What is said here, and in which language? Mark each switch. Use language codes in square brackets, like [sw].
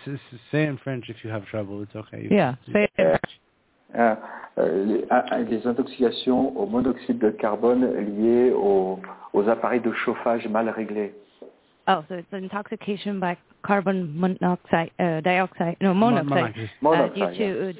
[en] This is, say in French if you have trouble, it's okay. [fr] Les intoxications au monoxyde de carbone liées aux appareils de chauffage mal réglés. [en] Oh, so it's intoxication by carbon monoxide, monoxide.